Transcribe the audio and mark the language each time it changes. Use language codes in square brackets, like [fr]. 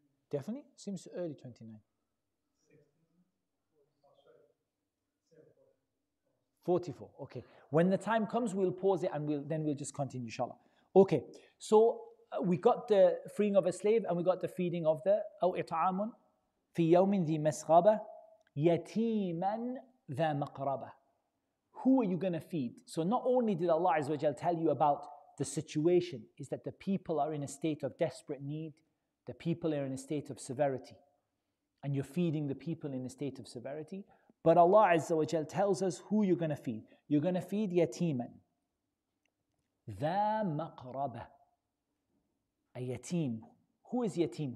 [en] Definitely? Seems early 29. 44. Okay. When the time comes, we'll pause it and we'll just continue, inshallah. Okay. So we got the freeing of a slave and we got the feeding of the [ar] أو إطعامٌ في يوم ذي مسغبة يتيماً ذا مقربة. [en] Who are you going to feed? So not only did Allah Azza wa Jalla tell you about the situation, is that the people are in a state of desperate need, the people are in a state of severity, and you're feeding the people in a state of severity. But Allah Azza wa Jalla tells us who you're going to feed. You're going to feed yatiman. Dha maqraba. A yatim. Who is yatim?